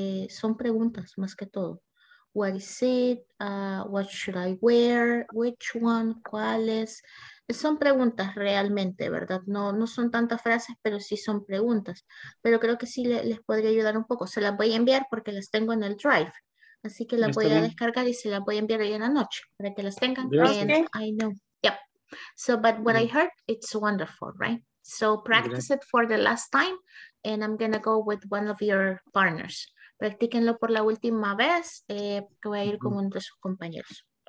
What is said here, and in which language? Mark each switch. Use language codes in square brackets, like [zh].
[en] Son preguntas más que todo. What is it? What should I wear? Which one? ¿Cuáles? [es] Son preguntas realmente, ¿verdad? No son tantas frases, pero sí son preguntas. Pero creo que sí les podría ayudar un poco. Se las voy a enviar porque las tengo en el Drive. Así que las voy a descargar y se las voy a enviar hoy en la noche para que las tengan. [en] I know. Yep. So, but what I heard, it's wonderful, right? So practice it for the last time. And I'm going to go with one of your partners. [es] Practíquenlo por la última vez, que voy a ir con uno de sus compañeros.